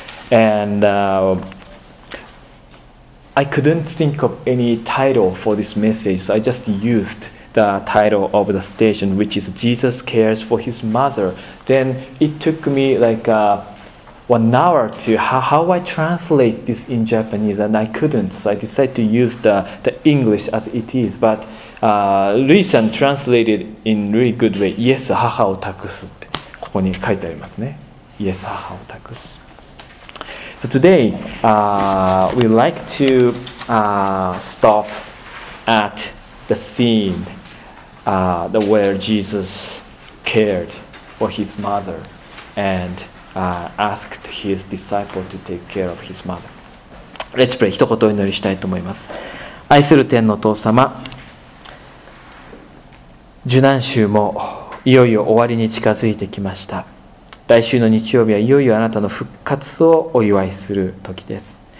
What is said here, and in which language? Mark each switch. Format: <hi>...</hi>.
<en>And I couldn't think of any title for this message, so I just used the title of the station, which is Jesus Cares for His Mother. Then it took me like 1 hour to how I translate this in Japanese, and I couldn't, so I decided to use the English as it is. But Luis-san translated in really good way.</en> <ja>Yes, 母を託すってここに書いてありますね。 Yes, 母を託す。</ja> <en>So today, we like to stop at the scene where Jesus cared for his mother and asked his disciple to take care of his mother. Let's pray.</en> <ja>一言祈りしたいと思います。愛する天の父様、受難週もいよいよ終わりに近づいてきました。来週の日曜日はいよいよあなたの復活をお祝いする時です。</ja>